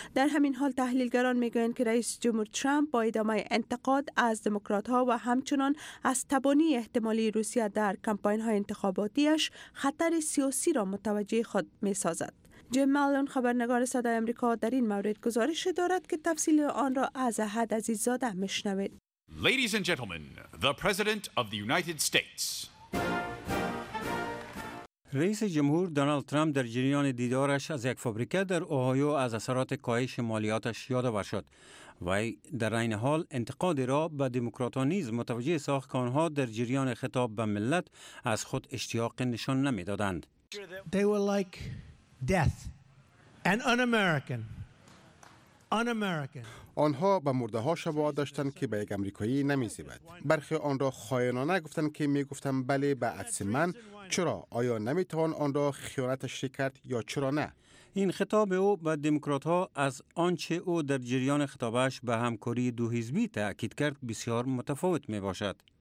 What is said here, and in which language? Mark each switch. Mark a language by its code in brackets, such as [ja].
[fa] در همین حال تحلیلگران می‌گویند که رئیس جمهور ترامپ با ادامه انتقاد از دموکرات‌ها و همچنان از تبانی احتمالی روسیه در کمپین‌های انتخاباتیش خطر سیاسی را متوجه خود می‌سازد. جیم مالون خبرنگار صدای آمریکا در این مورد گزارش دارد که تفصیل آن را از احد عزیززاده میشنوید. [en] Ladies and gentlemen, the President of the United States. [fa] رئیس جمهور دونالد ترامپ در جریان دیدارش از یک فابریکه در اوهایو از اثرات کاهش مالیاتش یادآور شد. وی در این حال انتقاد را به دموکراتان نیز متوجه ساخت که آنها در جریان خطاب به ملت از خود اشتیاق نشان نمی‌دادند. [en] They were like death and un-American. [fa] آنها به مرده ها شباهت داشتند که به یک امریکایی نمی زیبد. برخی آن را خائنانه گفتند که می گفتند بله به عکس من، چرا؟ آیا نمی توان آن را خیانت شریک کرد یا چرا نه؟ این خطاب او به دموکرات ها از آنچه او در جریان خطابش به همکاری دو حزبی تأکید کرد بسیار متفاوت می باشد.